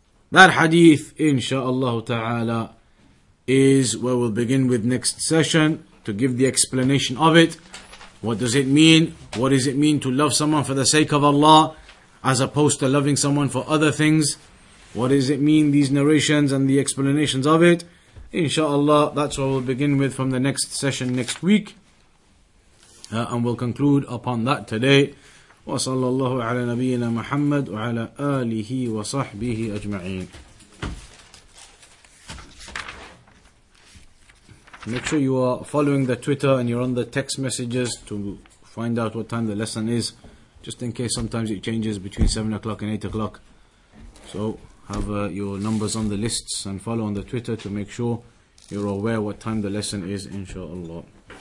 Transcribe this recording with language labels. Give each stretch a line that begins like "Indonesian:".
English: That hadith, insha'Allah ta'ala, is where we'll begin with next session to give the explanation of it. What does it mean? What does it mean to love someone for the sake of Allah as opposed to loving someone for other things? What does it mean, these narrations and the explanations of it? Insha'Allah, that's what we'll begin with from the next session next week. And we'll conclude upon that today.
Arabic: وصلى الله على نبينا محمد وعلى آله وصحبه أجمعين.
English: Make sure you are following the Twitter and you're on the text messages to find out what time the lesson is, just in case sometimes it changes between 7 o'clock and 8 o'clock. So have your numbers on the lists and follow on the Twitter to make sure you're aware what time the lesson is, inshallah.